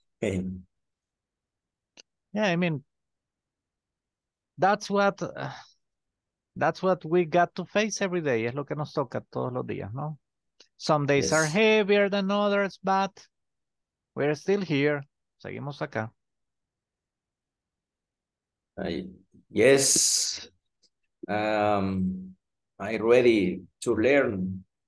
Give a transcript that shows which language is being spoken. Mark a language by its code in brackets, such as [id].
[en] Yeah, I mean, that's what we got to face every day. [es] Es lo que nos toca todos los días, ¿no? [en] Some days yes. are heavier than others, but we're still here. [es] Seguimos acá. [en] Yes. I'm ready to learn.